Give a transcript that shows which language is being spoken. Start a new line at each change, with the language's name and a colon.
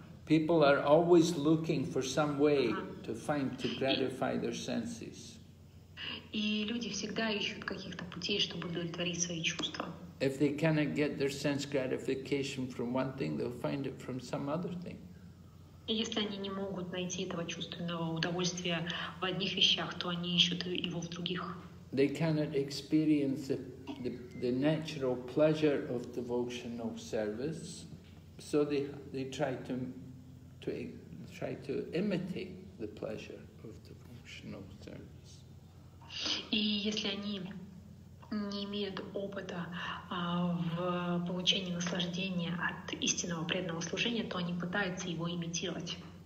English: People are always looking for some way to find to gratify their senses.
Russian: И люди всегда ищут каких-то путей, чтобы удовлетворить свои чувства.
English: If they cannot get their sense gratification from one thing, they'll find it from some other thing.
Russian: Если они не могут найти этого чувственного удовольствия в одних вещах, то они ищут его в других.
English: They cannot experience the natural pleasure of devotional service, so they try to imitate the pleasure of devotional service.
Russian: И если они не имеют опыта в получении наслаждения от истинного преданного служения, то они пытаются его имитировать.